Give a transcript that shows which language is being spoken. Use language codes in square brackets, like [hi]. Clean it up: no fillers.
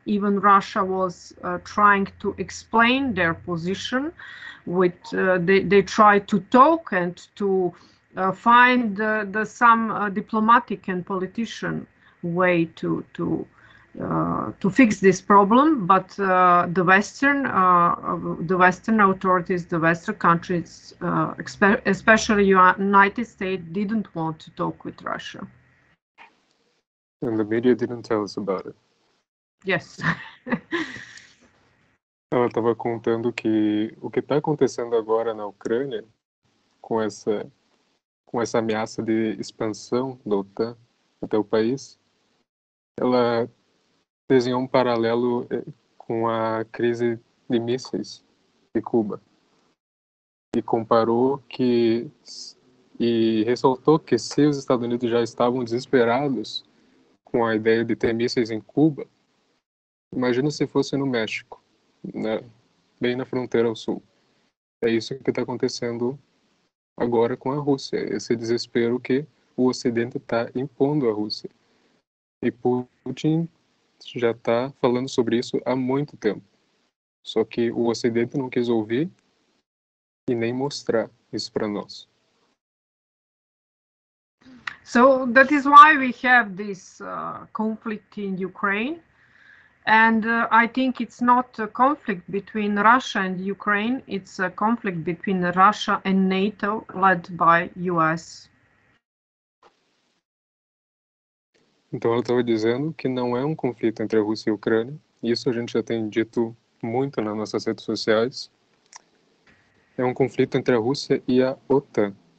[en] Even Russia was trying to explain their position with they tried to talk and to find the some diplomatic and politician way to fix this problem, but the Western authorities, the Western countries, especially United States, didn't want to talk with Russia. And the media didn't tell us about it. Yes. [pt] Ela estava contando que o que está acontecendo agora na Ucrânia com essa ameaça de expansão da OTAN até o país, ela desenhou um paralelo com a crise de mísseis de Cuba e comparou que e ressaltou que se os Estados Unidos já estavam desesperados com a ideia de ter mísseis em Cuba, imagina se fosse no México, né? Bem na fronteira ao sul. É isso que está acontecendo agora com a Rússia, esse desespero que o Ocidente está impondo à Rússia. E Putin já está falando sobre isso há muito tempo. Só que o Ocidente não quis ouvir e nem mostrar isso para nós. [en] So that is why we have this conflict in Ukraine. And I think it's not a conflict between Russia and Ukraine, it's a conflict between Russia and NATO, led by US. [pt] Então ela estava dizendo que não é um conflito entre a Rússia e a Ucrânia, isso a gente já tem dito muito nas nossas redes sociais. É um conflito entre a Rússia e a OTAN.